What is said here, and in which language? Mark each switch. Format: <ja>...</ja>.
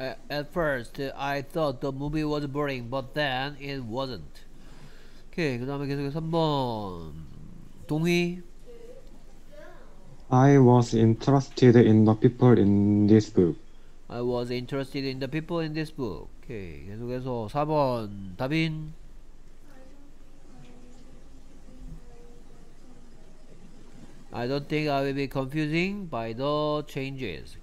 <en>At first, I thought the movie was boring, but then it wasn't.</en> <ko>오케이 그 다음에 계속 3번 동희.</ko> <en>I was interested in the people in this book. I was interested in the people in this book.</en> <ko>오케이 계속해서 4번 다빈.</ko> <en>I don't think I will be confusing by the changes.</en>